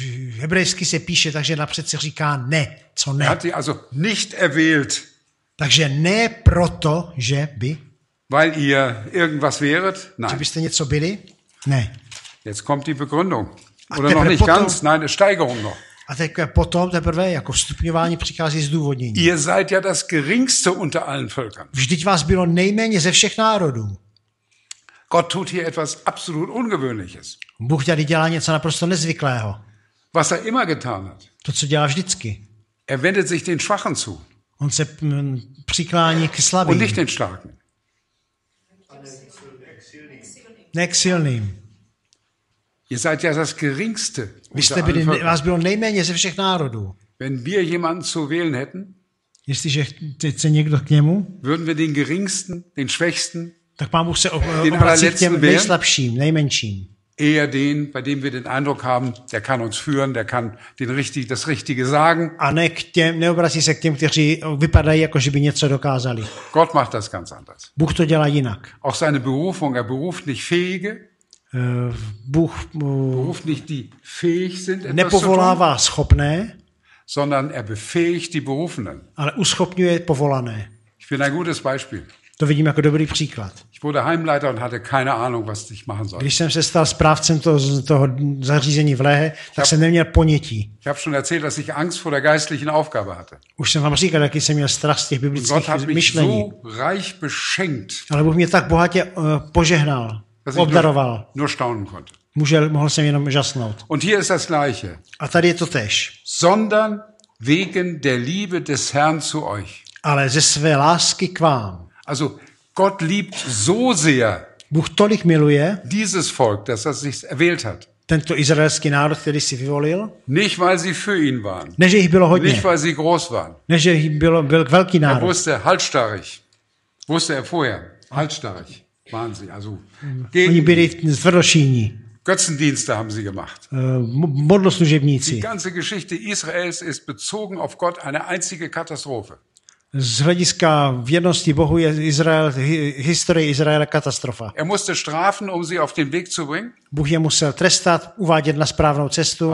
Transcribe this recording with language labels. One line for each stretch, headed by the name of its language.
Czech: Hebrejsky se píše, takže napřed se říká ne, co ne.
German: Er hat sie also nicht erwählt.
Czech: Takže ne proto, že by.
German: Weil ihr irgendwas wäret? Nein.
Czech: Že byste něco byli? Ne.
German: Jetzt kommt die Begründung. Oder noch nicht ganz, nein, eine Steigerung noch.
Czech: A teprve potom, teprve jako vstupňování přichází zdůvodnění.
German: Ihr seid ja das geringste unter allen Völkern.
Czech: Vždyť vás bylo nejméně ze všech národů.
German: Gott tut hier etwas absolut Ungewöhnliches.
Czech: Bůh tady dělá něco naprosto nezvyklého.
German: Was er immer getan hat.
Czech: To, co dělá vždycky.
German: Er wendet sich den Schwachen zu.
Czech: On se přiklání k slabým.
German: Und nicht den Starken.
Czech: Ne k silným.
German: Ihr seid ja das geringste.
Czech: Vás bylo nejméně ze všech národů.
German: Wenn wir jemanden zu wählen hätten,
Czech: jestliže se někdo k němu,
German: würden wir den geringsten, den schwächsten,
Czech: tak pán Bůh se obrací k těm nejslabším, nejmenším.
German: Eher den, bei dem wir den Eindruck haben, der kann uns führen, der kann das Richtige sagen.
Czech: A neobrací se k těm, kteří vypadají, jako že by něco dokázali.
German: Gott macht das ganz anders.
Czech: Bůh to dělá jinak.
German: Auch seine Berufung, er beruft nicht Fähige.
Czech: Bůh
German: beruft nicht die fähig sind, etwas
Czech: nepovolává
German: zu tun,
Czech: schopné,
German: sondern er befähigt die Berufenen.
Czech: Ale uschopňuje povolané.
German: Ich bin ein gutes Beispiel.
Czech: To vidím jako dobrý příklad.
German: Ich wurde Heimleiter und hatte keine Ahnung, was ich machen soll.
Czech: Když jsem se stal správcem toho zařízení v Lehe, tak jsem neměl ponětí.
German: Ich habe schon erzählt, dass ich Angst vor der geistlichen Aufgabe hatte.
Czech: Už jsem vám říkal, jaký jsem měl strach z těch biblických myšlení.
German: Gott hat mich so reich beschenkt.
Czech: Ale Bůh mě tak bohatě požehnal, obdaroval.
German: Nur staunen konnte.
Czech: Mohl jsem jenom žasnout.
German: Und hier ist das gleiche.
Czech: A tady je to též.
German: Sondern wegen der Liebe des Herrn zu euch.
Czech: Ale ze své lásky k vám.
German: Also Gott liebt so sehr
Czech: Bůh tolik miluje
German: dieses Volk, das er sich erwählt hat.
Czech: Tento izraelský národ, který si vyvolil.
German: Nicht weil sie für ihn waren.
Czech: Ne, že jich bylo hodně.
German: Nicht weil sie groß waren.
Czech: Ne, že jich byl velký národ.
German: Er wusste halsstarrig. Wusste er vorher. Halsstarrig. Waren sie. Also,
Czech: oni byli zvrdošíní.
German: Götzendienste haben sie gemacht.
Czech: Modloslužebníci.
German: Die ganze Geschichte Israels ist bezogen auf Gott eine einzige Katastrophe.
Czech: Z hlediska věrnosti Bohu je Izrael, historie Izraela katastrofa.
German: Er musste strafen, um sie auf den Weg zu bringen.
Czech: Bůh je musel trestat, uvádět na správnou cestu.